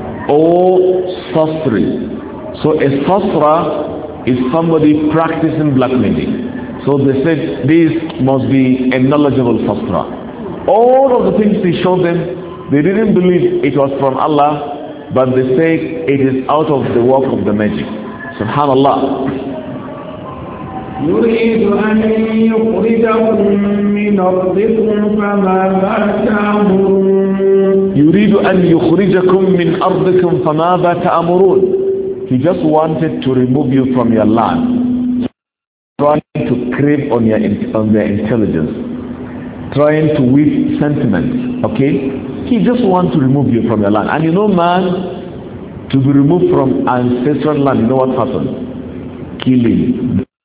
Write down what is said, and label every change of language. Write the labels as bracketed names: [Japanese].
[English] Or sorcery. So a sorcerer is somebody practicing black magic. So they said this must be a knowledgeable sorcerer. All of the things he showed them, they didn't believe it was from Allah, but they said it is out of the work of the magic. Subhanallah. [Arabic] يريد أن يخرجهم من أرضكم فماذا تأمرون. يريد أن يخرجكم من أرضكم فماذا تأمرون. [English] He just wanted to remove you from your land. Trying to creep on their intelligence. Trying to weave sentiments. Okay? He just wants to remove you from your land. And you know, man, to be removed from ancestral land, you know what happens? Killing.